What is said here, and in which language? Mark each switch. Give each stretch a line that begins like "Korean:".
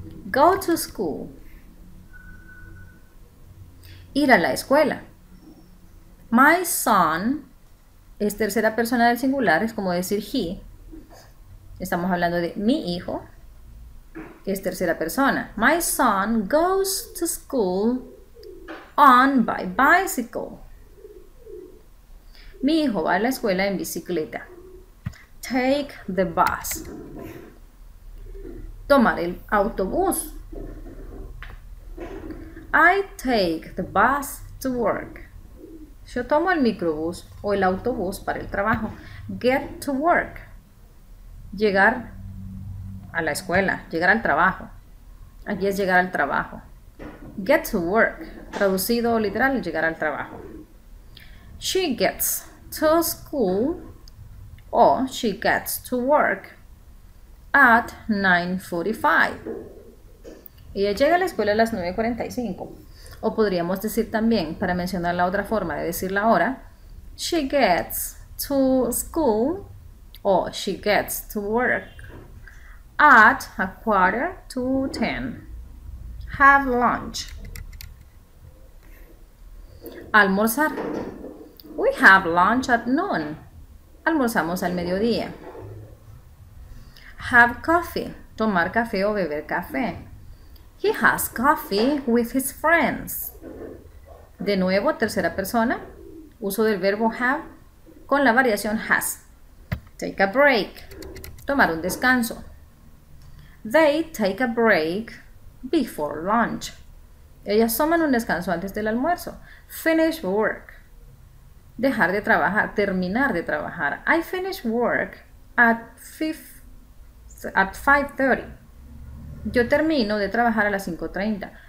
English: Go to school.
Spanish: Ir a la escuela.
English: My son
Spanish: es tercera persona del singular, es como decir he. Estamos hablando de mi hijo, es tercera persona.
English: My son goes to school on by bicycle.
Spanish: Mi hijo va a la escuela en bicicleta.
English: Take the bus.
Spanish: Tomar el autobús.
English: I take the bus to work.
Spanish: Yo tomo el microbús o el autobús para el trabajo.
English: Get to work.
Spanish: Llegar a la escuela, llegar al trabajo. Aquí es llegar al trabajo.
English: Get to work.
Spanish: Traducido literal, llegar al trabajo.
English: She gets to school or she gets to work at 9:45.
Spanish: Ella llega a la escuela a las 9:45. O podríamos decir también, para mencionar la otra forma de decir la hora,
English: she gets to school
Spanish: o
English: she gets to work at a quarter to ten. Have lunch.
Spanish: Almorzar.
English: We have lunch at noon.
Spanish: Almorzamos al mediodía.
English: Have coffee.
Spanish: Tomar café o beber café.
English: He has coffee with his friends.
Spanish: De nuevo, tercera persona, uso del verbo have con la variación has.
English: Take a break.
Spanish: Tomar un descanso.
English: They take a break before lunch.
Spanish: Ellas toman un descanso antes del almuerzo.
English: Finish work.
Spanish: Dejar de trabajar, terminar de trabajar.
English: I finish work at 5:30.
Spanish: Yo termino de trabajar a las 5:30.